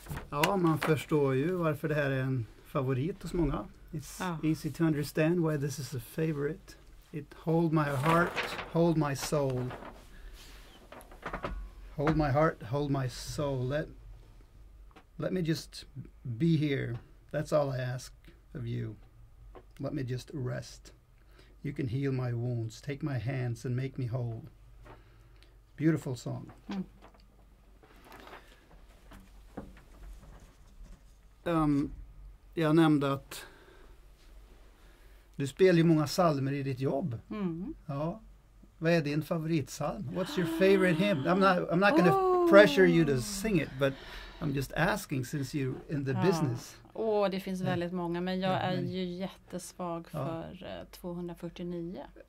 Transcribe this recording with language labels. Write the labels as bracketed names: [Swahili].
[Swedish] Ja, man förstår ju varför det här är en favorit hos många. [English] It's easy to understand why this is a favorite. It hold my heart, hold my soul. Hold my heart, hold my soul. Let me just be here. That's all I ask of you. Let me just rest. You can heal my wounds. Take my hands and make me whole. Beautiful song. Mm. [Swedish] Jag nämnde att du spelar ju många psalmer i ditt jobb. Mm. Ja. Vad är din favoritsalm? [English] What's your favorite hymn? I'm not going to pressure you to sing it, but I'm just asking since you're in the business. [Swedish] Åh, det finns väldigt många, men jag är ju jättesvag för 249.